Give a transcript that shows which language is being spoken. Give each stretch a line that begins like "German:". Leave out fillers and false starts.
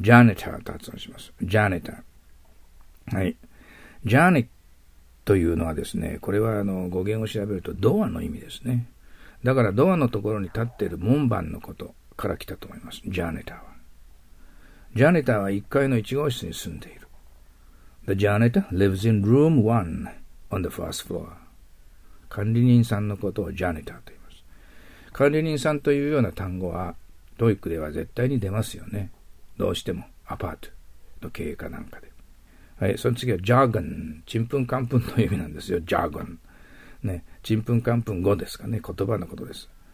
Japanese: Janitor と発音します。Janitor。 はい。 Janit というのはですね、これは語源を調べるとドアの意味ですね。だからドアのところに立っている門番のことから来たと思います。 Janitor は。Janitor は1階の1号室に住んでいる。
English: The janitor lives in room 1 on the first floor.
Japanese: 管理人さんのことをジャニターと言います。管理人さんというような単語は、トイックでは絶対に出ますよね。どうしても、アパートの経営かなんかで。はい、その次はジャーガン。ちんぷんかんぷんの意味なんですよ、ジャーガン。ね、ちんぷんかんぷん語ですかね、言葉のことです。